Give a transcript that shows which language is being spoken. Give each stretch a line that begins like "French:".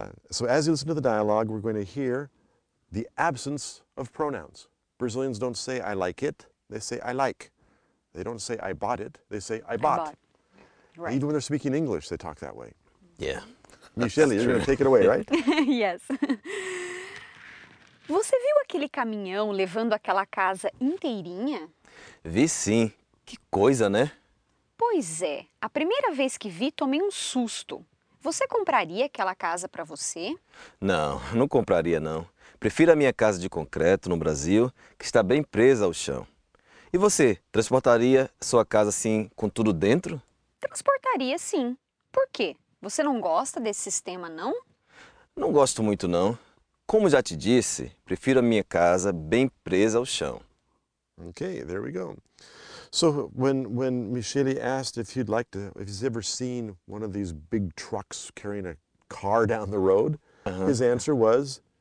English: So as you listen to the dialogue, we're going to hear the absence of pronouns. Brazilians don't say, I like it. They say, I like. They don't say, I bought it. They say, I bought. Right. Even when they're speaking English, they talk that way. Yeah. Michele, you're going to take it away, right? Yes.
Portuguese: Você viu aquele caminhão levando aquela casa inteirinha? Vi sim. Que coisa, né? Pois é. A primeira vez que vi, tomei um susto. Você compraria aquela casa para você? Não, não compraria não. Prefiro a minha casa de concreto no Brasil, que está bem presa ao chão. E você, transportaria sua casa assim, com tudo dentro? Transportaria sim. Por quê? Você não gosta desse sistema, não? Não gosto muito não. Como já te disse, prefiro a minha casa bem presa ao chão.
English: Okay, there we go. So when Michele asked if you'd like to, if he's ever seen one of these big trucks carrying a car down the road, his answer was,